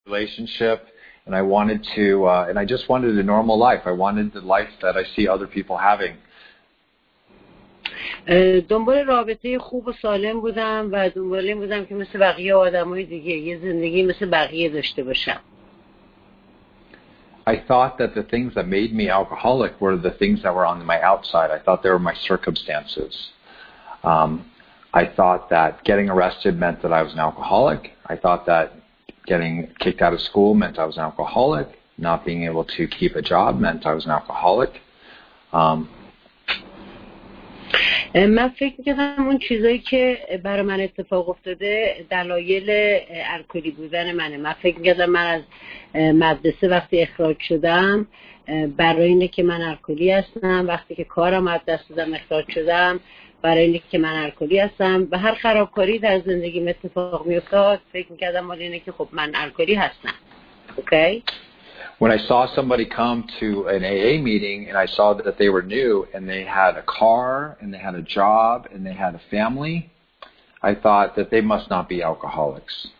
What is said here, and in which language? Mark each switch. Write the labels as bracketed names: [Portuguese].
[English] relationship, and I wanted to, and I just wanted a normal life. I wanted the life that I see other people having. [Persian] دنبال رابطه خوب و سالم بودم و دنبال این بودم که مثل بقیه آدمای دیگه یه زندگی مثل بقیه داشته باشم. [English] I thought that the things that made me alcoholic were the things that were on my outside. I thought they were my circumstances. I thought that getting arrested meant that I was an alcoholic. I thought that getting kicked out of school meant I was an alcoholic. Not being able to keep a job meant I was an alcoholic. [Persian] من فکر می‌کردم اون چیزایی که برای من اتفاق افتاده دلایل الکلی بودن منه. من فکر می‌کردم من از مدرسه وقتی اخراج شدم برای اینه که من الکلی هستم، وقتی که کارم از دست دادم اخراج شدم برای اینه که من الکلی هستم، و هر خرابکاری در زندگیم اتفاق می‌افتاد فکر می‌کردم مال اینه که خب من الکلی هستم. اوکی؟ [English] When I saw somebody come to an AA meeting and I saw that they were new and they had a car and they had a job and they had a family, I thought that they must not be alcoholics.